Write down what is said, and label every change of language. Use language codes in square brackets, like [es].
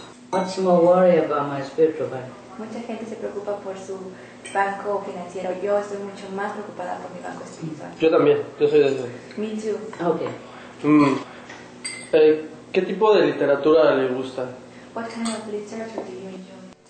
[en] Much more worry about my spiritual bank. [es] Mucha gente se preocupa por su banco financiero. Yo estoy mucho más preocupada por mi banco espiritual. Yo también. Yo soy de eso. [en] Me too. Okay. [es] ¿Qué tipo de literatura le gusta? [en] What kind of literature do you enjoy?